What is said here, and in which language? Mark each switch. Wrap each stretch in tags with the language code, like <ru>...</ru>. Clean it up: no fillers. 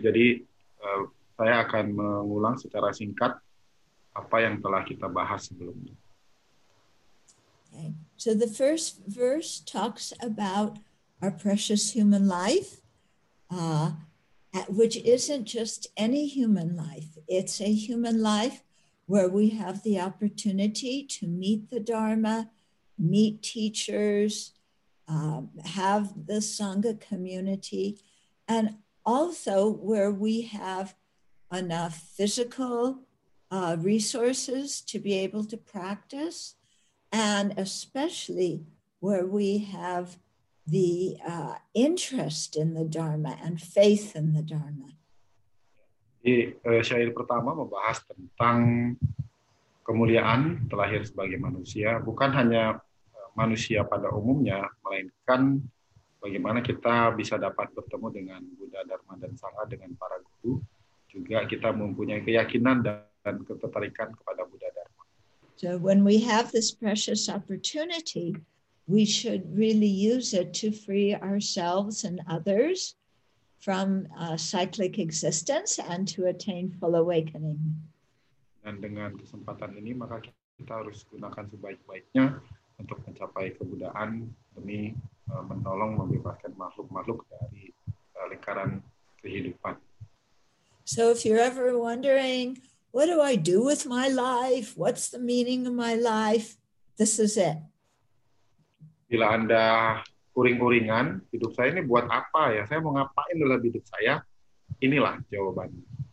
<id>Jadi saya akan mengulang secara singkat apa yang telah kita bahas sebelumnya.</id> <en>So the first verse talks about our precious human life, which isn't just any human life. It's a human life where we have the opportunity to meet the Dharma, meet teachers, have the Sangha community, and also where we have enough physical resources to be able to practice. And especially where we have the interest in the Dharma and faith in the Dharma.</en> <id>Di syair pertama membahas tentang kemuliaan terlahir sebagai manusia, bukan hanya manusia pada umumnya, melainkan bagaimana kita bisa dapat bertemu dengan Buddha, Dharma, dan Sangha dengan para guru, juga kita mempunyai keyakinan dan ketertarikan kepada Buddha.</id> <en>So when we have this precious opportunity, we should really use it to free ourselves and others from cyclic existence and to attain full awakening.</en> <id>Dan dengan kesempatan ini, maka kita harus gunakan sebaik-baiknya untuk mencapai kebudaan demi menolong membebaskan makhluk-makhluk dari lingkaran kehidupan.</id> <en>So if you're ever wondering, what do I do with my life? What's the meaning of my life? This is it.</en> <id>Bila Anda uring-uringan, hidup saya ini buat apa ya? Saya mau ngapain dalam hidup saya? Inilah jawabannya.</id>